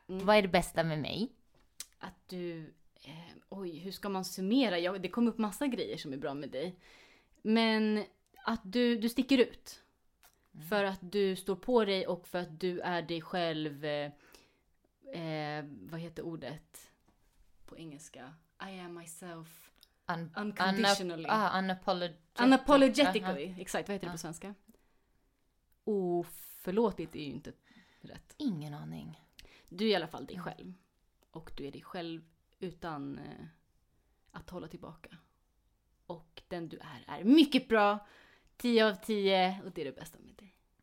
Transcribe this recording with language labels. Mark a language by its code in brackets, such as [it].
[sv] Mm. Vad är det bästa med mig? Att du... hur ska man summera? Det kom upp massa grejer som är bra med dig. Men att du sticker ut. Mm. För att du står på dig och för att du är dig själv... vad heter ordet? På engelska. [en] I am myself unconditionally. Unapologetically. Uh-huh. [sv] Exakt, vad heter det på svenska? Oförlåtligt är ju inte rätt. Ingen aning. Du är i alla fall dig själv. Och du är dig själv utan att hålla tillbaka. Och den du är mycket bra. 10 av 10. Och det är det bästa med dig.